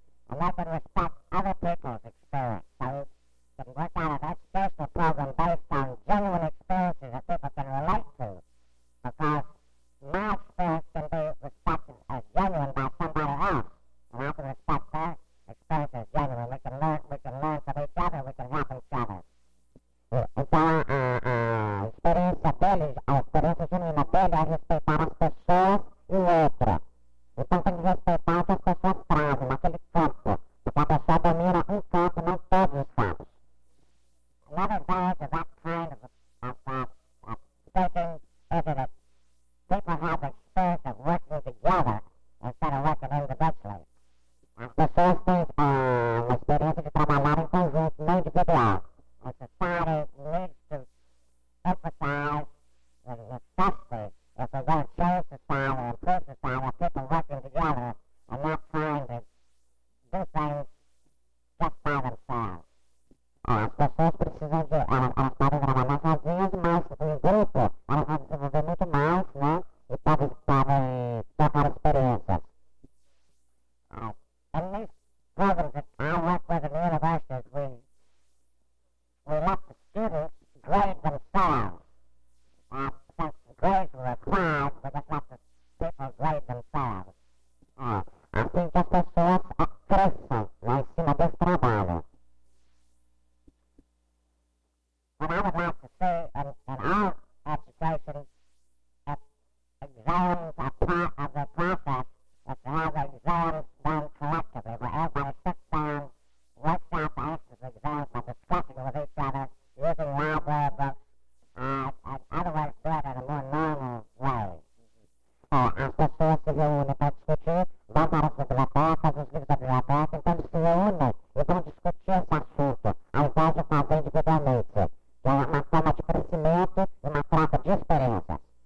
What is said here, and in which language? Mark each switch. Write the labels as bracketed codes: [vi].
[en] And I can respect other people's experience, so we can work out an educational program based on genuine experiences that people can relate to. Because my experience can be respected as genuine by somebody else. And I can respect their experience as genuine. We can learn from each other, we can help each other. [pt] Experiencia deles, a experiência genuína dele é respeitar as pessoas e o outro. Então tem que respeitar o que as pessoas trazem naquele campo. Porque a pessoa domina um campo, não todos os campos. [en] Another variety of that kind of thinking is that people have the experience of working together instead of working individually. [pt] As pessoas têm a experiência de trabalhar em conjunto, não individual. [en] A society needs to emphasize the necessity if we're going to change society and improve society of people working together and not trying to do things just by themselves. [pt] As pessoas precisam de trabalhar mais sozinhas e mais em grupo. Elas vão desenvolver muito mais, né? E podem trocar experiências. [en] In these programs that I work with in universities, we let the students grade themselves. Since grades were acquired, we just let the people grade themselves. [pt] Assim que as pessoas cresçam lá em cima desse trabalho. [en] What I would like to see in education, if exams are part of the process, if we have exams done collectively, where everyone sits down, works out the answers to exams by discussing with each other, using library books, otherwise do it in a more normal way. [pt] As pessoas que vão unir discutir, vão para a biblioteca, as pessoas da biblioteca, então se reúnem e vão discutir esse assunto, ao invés de fazer individualmente. É uma forma de crescimento e uma troca de experiência.